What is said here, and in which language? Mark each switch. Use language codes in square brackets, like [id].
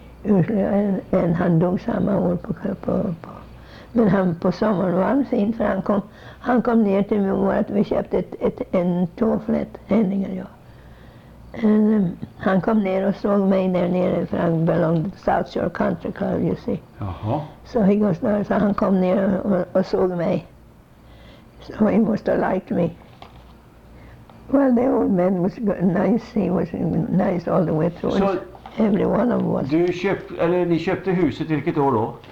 [sv] än han dog samma år på. Men han på sommaren var han fin, för han kom ner till mig och vi köpte en tåflätt, Henning och jag. Han kom ner och såg mig där nere, för han belongade till South Shore Country Club, [en] you see. [sv] Jaha. Så han kom ner och såg mig. [en] So he must have liked me. Well, the old man was nice, he was nice all the way through. So every one of us. [sv] Ni köpte huset vilket år då?